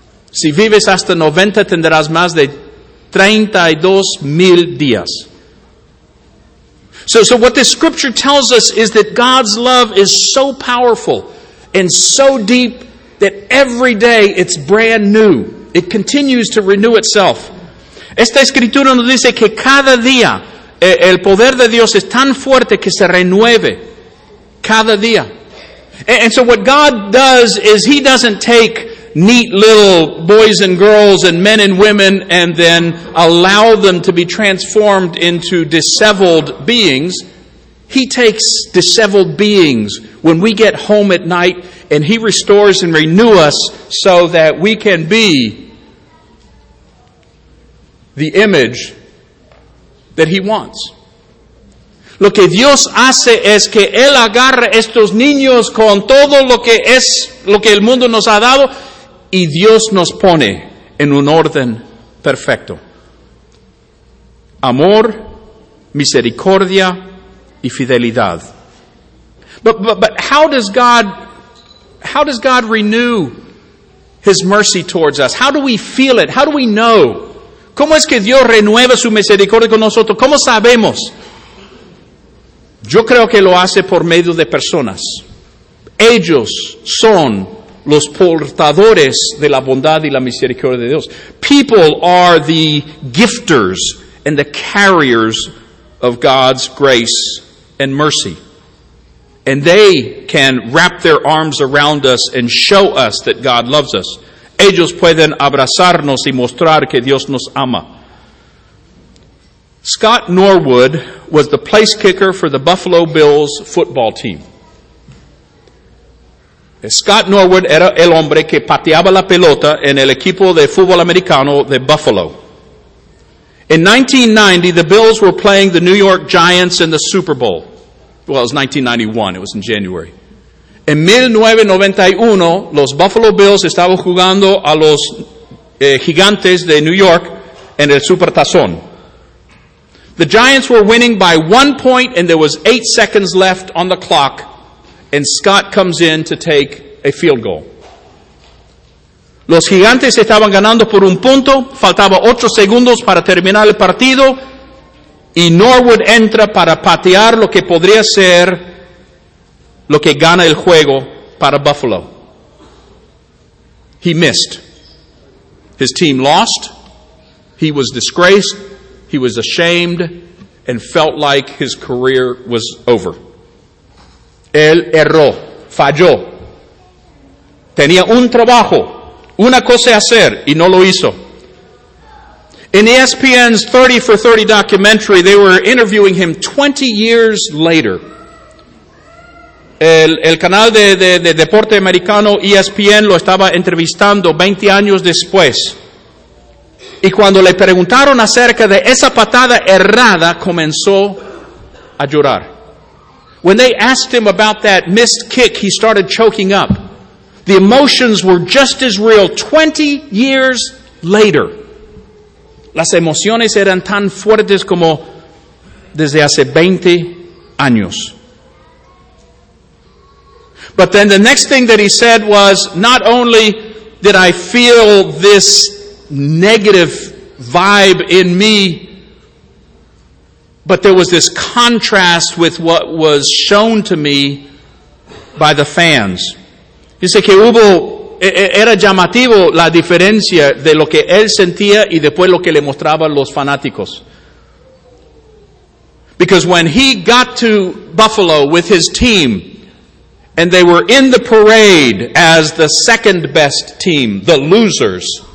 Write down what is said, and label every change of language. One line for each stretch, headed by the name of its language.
Spanish: Si vives hasta 90, tendrás más de 32,000 días.
English: So what this scripture tells us is that God's love is so powerful and so deep that every day it's brand new. It continues to renew itself.
Spanish: Esta escritura nos dice que cada día el poder de Dios es tan fuerte que se renueve cada día.
English: And so what God does is He doesn't take neat little boys and girls and men and women and then allow them to be transformed into disheveled beings. He takes disheveled beings when we get home at night and He restores and renew us so that we can be the image that He wants.
Spanish: Lo que Dios hace es que Él agarra estos niños con todo lo que el mundo nos ha dado, y Dios nos pone en un orden perfecto. Amor, misericordia, y fidelidad.
English: But how does God renew His mercy towards us? How do we feel it? How do we know?
Spanish: ¿Cómo es que Dios renueva su misericordia con nosotros? ¿Cómo sabemos? Yo creo que lo hace por medio de personas. Ellos son los portadores de la bondad y la misericordia de Dios.
English: People are the gifters and the carriers of God's grace and mercy. And they can wrap their arms around us and show us that God loves us.
Spanish: Ellos pueden abrazarnos y mostrar que Dios nos ama.
English: Scott Norwood was the place kicker for the Buffalo Bills football team.
Spanish: Scott Norwood era el hombre que pateaba la pelota en el equipo de fútbol americano de Buffalo.
English: In 1990, the Bills were playing the New York Giants in the Super Bowl. Well, it was 1991. It was in January.
Spanish: En 1991, los Buffalo Bills estaban jugando a los gigantes de New York en el Super Tazón.
English: The Giants were winning by 1 point, and there was 8 seconds left on the clock. And Scott comes in to take a field goal.
Spanish: Los gigantes estaban ganando por un punto. Faltaba 8 segundos para terminar el partido. Y Norwood entra para patear lo que podría ser lo que gana el juego para Buffalo.
English: He missed. His team lost. He was disgraced. He was ashamed and felt like his career was over.
Spanish: Él erró, falló. Tenía un trabajo, una cosa a hacer, y no lo hizo.
English: In ESPN's 30 for 30 documentary, they were interviewing him 20 years later.
Spanish: El canal de deporte americano ESPN lo estaba entrevistando 20 años después. Y cuando le preguntaron acerca de esa patada errada, comenzó a llorar.
English: When they asked him about that missed kick, he started choking up. The emotions were just as real 20 years later.
Spanish: Las emociones eran tan fuertes como desde hace 20 años.
English: But then the next thing that he said was, not only did I feel this negative vibe in me, but there was this contrast with what was shown to me by the fans.
Spanish: Dice que hubo, era llamativo la diferencia de lo que él sentía y después lo que le mostraban los fanáticos.
English: Because when he got to Buffalo with his team, And they were in the parade as the second best team, the losers.